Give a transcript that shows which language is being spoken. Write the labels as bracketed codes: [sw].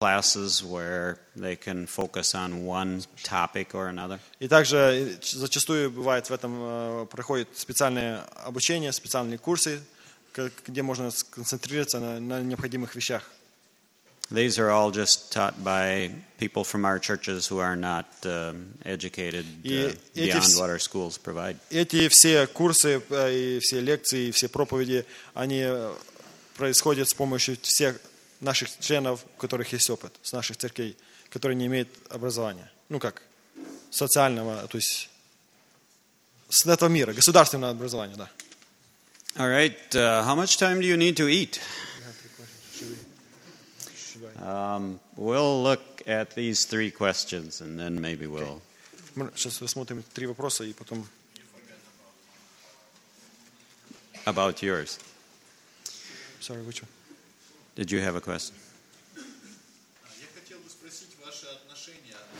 [en] classes where they can focus on one topic or another. [ru] И также зачастую бывает в этом проходит специальное обучение, специальные курсы, где можно сконцентрироваться на необходимых вещах. [en] These are all just taught by people from our churches who are not educated beyond what our schools provide. [ru] Эти все курсы и все лекции, все проповеди, они происходят с помощью всех наших членов, у которых есть опыт, с наших церквей, которые не имеют образования. Ну как, социального, то есть с этого мира, государственного образования, да. [en] All right, how much time do you need to eat? We'll look at these three questions and then maybe we'll... [ru] Сейчас рассмотрим три вопроса и потом... [en] About yours. Sorry, which one? Did you have a question? [ru] Я хотел бы спросить ваши отношения,